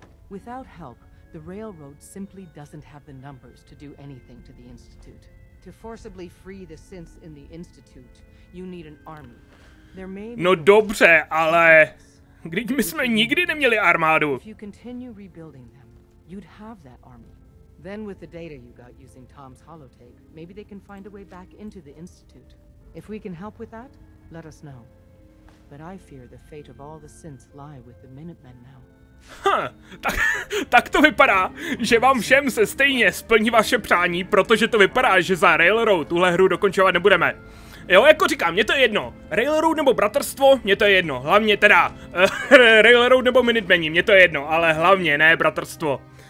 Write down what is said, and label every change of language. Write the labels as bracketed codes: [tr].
[en] Without help, the railroad simply doesn't have the numbers to do anything to the institute. To forcibly free the synths in the institute, you need an army. There may be. [cs] No dobře, ale když my jsme nikdy neměli armádu. [en] If you continue rebuilding them, you'd have that army. Then with the data you got using Tom's holotape, maybe they can find a way back into the institute. If we can help with that, let us know. But I fear the fate of all the synths lie with the Minutemen now. [cs] Tak to vypadá, že vám všem se stejně splní vaše přání, protože to vypadá, že za Railroad tuhle hru dokončovat nebudeme. Jo, jako říkám, mně to je jedno. Railroad nebo Bratrstvo, mně to je jedno. Hlavně teda, Railroad nebo Minutemeni, mně to je jedno, ale hlavně ne Bratrstvo.